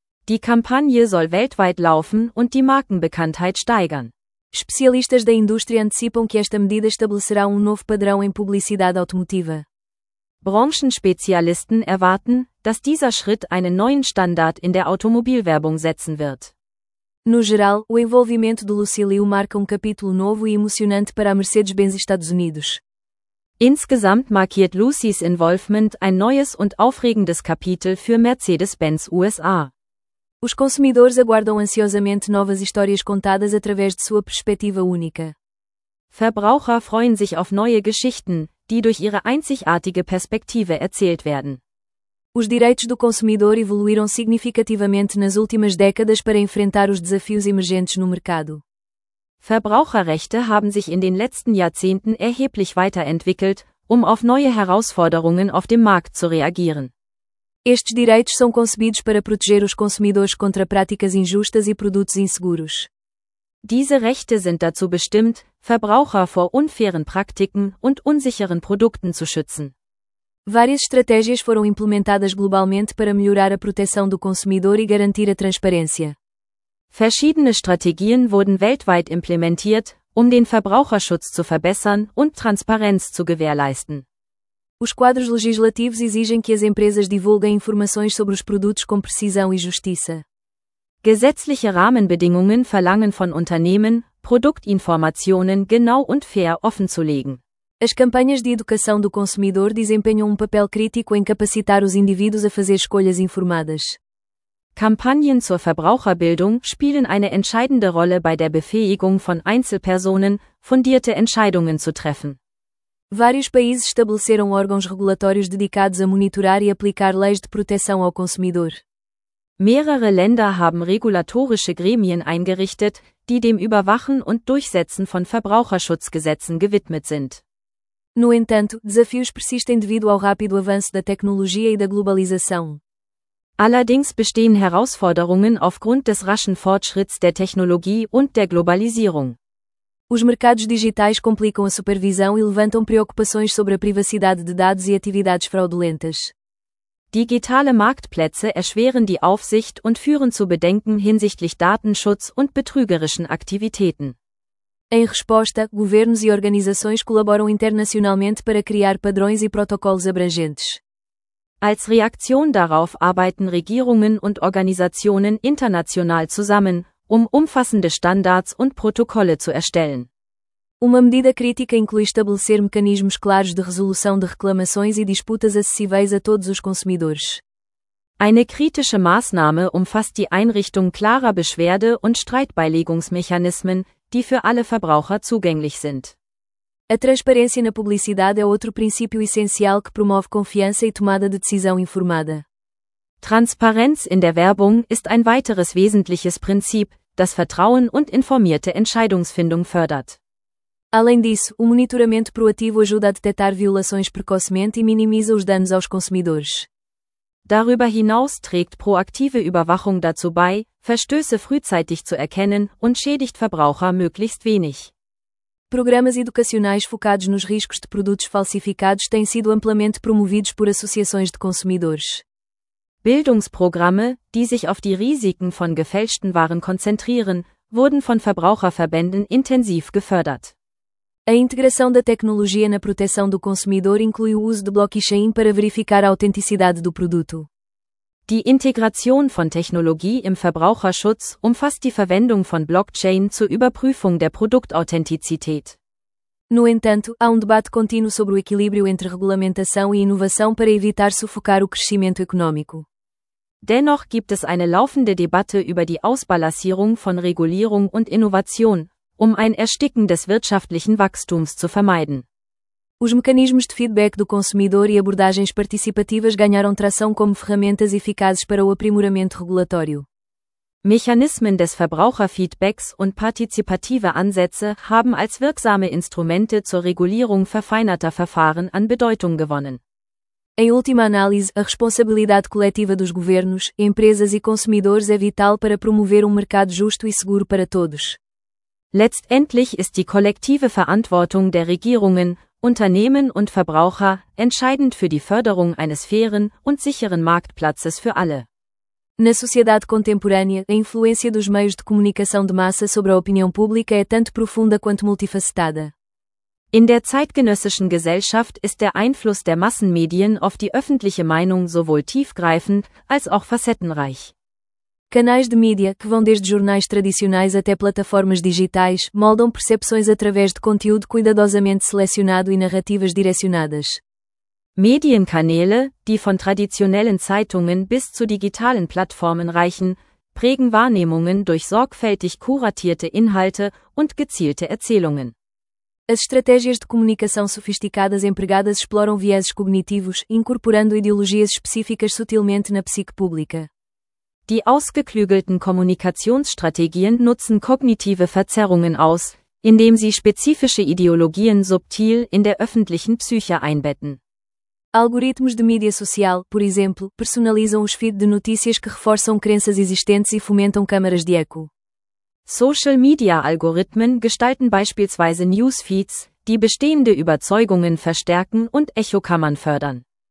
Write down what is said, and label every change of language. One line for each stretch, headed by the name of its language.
German: Die Kampagne soll weltweit laufen und die Markenbekanntheit steigern.
Portuguese: Especialistas da indústria antecipam que esta medida estabelecerá novo padrão em publicidade automotiva.
German: Branchenspezialisten erwarten, dass dieser Schritt einen neuen Standard in der Automobilwerbung setzen wird.
Portuguese: No geral, o envolvimento do Lucilio marca capítulo novo e emocionante para a Mercedes-Benz Estados Unidos.
German: Insgesamt markiert Lucys Involvement ein neues und aufregendes Kapitel für Mercedes-Benz USA.
Portuguese: Os consumidores aguardam ansiosamente novas histórias contadas através de sua perspectiva única.
German: Verbraucher freuen sich auf neue Geschichten, die durch ihre einzigartige Perspektive erzählt werden.
Portuguese: Os direitos do consumidor evoluíram significativamente nas últimas décadas para enfrentar os desafios emergentes no mercado.
German: Verbraucherrechte haben sich in den letzten Jahrzehnten erheblich weiterentwickelt, auf neue Herausforderungen auf dem Markt zu reagieren.
Portuguese: Estes direitos são concebidos para proteger os consumidores contra práticas injustas e produtos inseguros.
German: Diese Rechte sind dazu bestimmt, Verbraucher vor unfairen Praktiken und unsicheren Produkten zu schützen.
Portuguese: Várias estratégias foram implementadas globalmente para melhorar a proteção do consumidor e garantir a transparência.
German: Verschiedene Strategien wurden weltweit implementiert, den Verbraucherschutz zu verbessern und Transparenz zu gewährleisten.
Portuguese: Os quadros legislativos exigem que as empresas divulguem informações sobre os produtos com precisão e justiça.
German: Gesetzliche Rahmenbedingungen verlangen von Unternehmen, Produktinformationen genau und fair offenzulegen.
Portuguese: As campanhas de educação do consumidor desempenham papel crítico em capacitar os indivíduos a fazer escolhas informadas.
German: Kampagnen zur Verbraucherbildung spielen eine entscheidende Rolle bei der Befähigung von Einzelpersonen, fundierte Entscheidungen zu treffen.
Portuguese: Vários países estabeleceram órgãos regulatórios dedicados a monitorar e aplicar leis de proteção ao consumidor.
German: Mehrere Länder haben regulatorische Gremien eingerichtet, die dem Überwachen und Durchsetzen von Verbraucherschutzgesetzen gewidmet sind.
Portuguese: No entanto, desafios persistem devido ao rápido avanço da tecnologia e da globalização.
German: Allerdings bestehen Herausforderungen aufgrund des raschen Fortschritts der Technologie und der Globalisierung.
Portuguese: Os mercados digitais complicam a supervisão e levantam preocupações sobre a privacidade de dados e atividades fraudulentas.
German: Digitale Marktplätze erschweren die Aufsicht und führen zu Bedenken hinsichtlich Datenschutz und betrügerischen Aktivitäten.
Portuguese: Em resposta, governos e organizações colaboram internacionalmente para criar padrões e protocolos abrangentes.
German: Als Reaktion darauf arbeiten Regierungen und Organisationen international zusammen, umfassende Standards und Protokolle zu erstellen.
Portuguese: Uma medida crítica inclui estabelecer mecanismos claros de resolução de reclamações e disputas acessíveis a todos os consumidores.
German: Eine kritische Maßnahme umfasst die Einrichtung klarer Beschwerde- und Streitbeilegungsmechanismen, die für alle Verbraucher zugänglich sind.
Portuguese: A transparência na publicidade é outro princípio essencial que promove confiança e tomada de decisão informada.
German: Transparenz in der Werbung ist ein weiteres wesentliches Prinzip, das Vertrauen und informierte Entscheidungsfindung fördert.
Portuguese: Além disso, o monitoramento proativo ajuda a detectar violações precocemente e minimiza os danos aos consumidores.
German: Darüber hinaus trägt proaktive Überwachung dazu bei, Verstöße frühzeitig zu erkennen und schädigt Verbraucher möglichst wenig.
Portuguese: Programas educacionais focados nos riscos de produtos falsificados têm sido amplamente promovidos por associações de consumidores.
German: Bildungsprogramme, die sich auf die Risiken von gefälschten Waren konzentrieren, wurden von Verbraucherverbänden intensiv gefördert.
Portuguese: A integração da tecnologia na proteção do consumidor inclui o uso de blockchain para verificar a autenticidade do produto.
German: Die Integration von Technologie im Verbraucherschutz umfasst die Verwendung von Blockchain zur Überprüfung der Produktauthentizität.
Portuguese: No entanto, há debate contínuo sobre o equilíbrio entre regulamentação e inovação para evitar sufocar o crescimento econômico.
German: Dennoch gibt es eine laufende Debatte über die Ausbalancierung von Regulierung und Innovation, ein Ersticken des wirtschaftlichen Wachstums zu vermeiden.
Portuguese: Os mecanismos de feedback do consumidor e abordagens participativas ganharam tração como ferramentas eficazes para o aprimoramento regulatório.
German: Mechanismen des Verbraucherfeedbacks und partizipative Ansätze haben als wirksame Instrumente zur Regulierung verfeinerter Verfahren an Bedeutung gewonnen.
Portuguese: Em última análise, a responsabilidade coletiva dos governos, empresas e consumidores é vital para promover mercado justo e seguro para todos.
German: Letztendlich ist die kollektive Verantwortung der Regierungen, Unternehmen und Verbraucher entscheidend für die Förderung eines fairen und sicheren Marktplatzes für alle.
Portuguese: Na sociedade contemporânea, a influência dos meios de comunicação de massa sobre a opinião pública é tanto profunda quanto multifacetada.
German: In der zeitgenössischen Gesellschaft ist der Einfluss der Massenmedien auf die öffentliche Meinung sowohl tiefgreifend als auch facettenreich.
Portuguese: Canais de mídia, que vão desde jornais tradicionais até plataformas digitais, moldam percepções através de conteúdo cuidadosamente selecionado e narrativas direcionadas.
German: Medienkanäle, die von traditionellen Zeitungen bis zu digitalen Plattformen reichen, prägen Wahrnehmungen durch sorgfältig kuratierte Inhalte und gezielte Erzählungen.
Portuguese: As estratégias de comunicação sofisticadas empregadas exploram vieses cognitivos, incorporando ideologias específicas sutilmente na psique pública.
German: Die ausgeklügelten Kommunikationsstrategien nutzen kognitive Verzerrungen aus, indem sie spezifische Ideologien subtil in der öffentlichen Psyche einbetten.
Portuguese: Algoritmos de mídia social, por exemplo, personalizam os feeds de notícias que reforçam crenças existentes e fomentam câmaras de eco.
German: Social media algoritmen gestalten beispielsweise newsfeeds, die bestehende Überzeugungen verstärken und Echokammern fördern.